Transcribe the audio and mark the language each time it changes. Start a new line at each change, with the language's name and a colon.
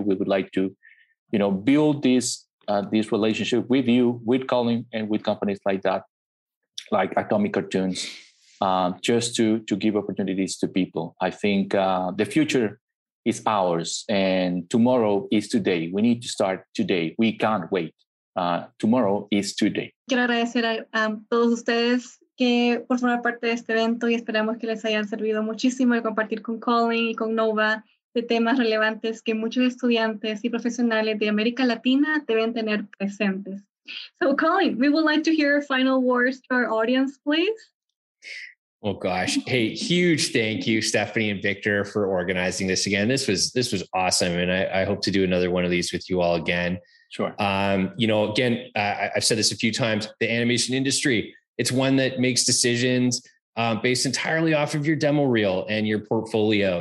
English: We would like to, you know, build this this relationship with you, with Colin, and with companies like that, like Atomic Cartoons, just to give opportunities to people. I think the future is ours, and tomorrow is today. We need to start today. We can't wait. Tomorrow is today.
Spanish: Quiero agradecer a todos ustedes que formaron parte de este evento y esperamos que les hayan servido muchísimo de compartir con Colin y con Nova de temas relevantes que muchos estudiantes y profesionales de América Latina deben tener presentes.
English: So, Colin, we would like to hear your final words to our audience, please. Oh, gosh. Hey, huge thank you, Stephanie and Victor, for organizing this again. This was awesome, and I hope to do another one of these with you all again. Sure. You know, again, I've said this a few times, the animation industry, it's one that makes decisions based entirely off of your demo reel and your portfolio.